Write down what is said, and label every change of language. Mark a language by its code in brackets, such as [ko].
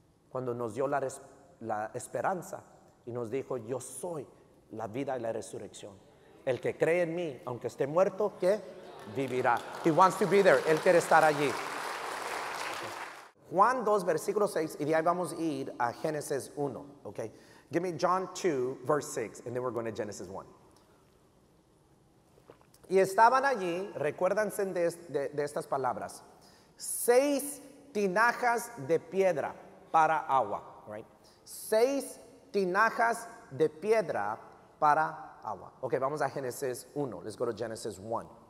[es] Cuando nos dio la esperanza y nos dijo, yo soy la vida y la resurrección. El que cree en mí, aunque esté muerto, ¿qué? Vivirá. [en] He wants to be there. [es] Él quiere estar allí. Juan 2, versículo 6, y de ahí vamos a ir a Génesis 1, okay? [en] Give me John 2, verse 6, and then we're going to Genesis 1. [es] Y estaban allí, recuérdense de estas palabras, 6 tinajas de piedra para agua, right? 6 tinajas de piedra para agua. Ok, vamos a Génesis 1. [en] Let's go to Genesis 1.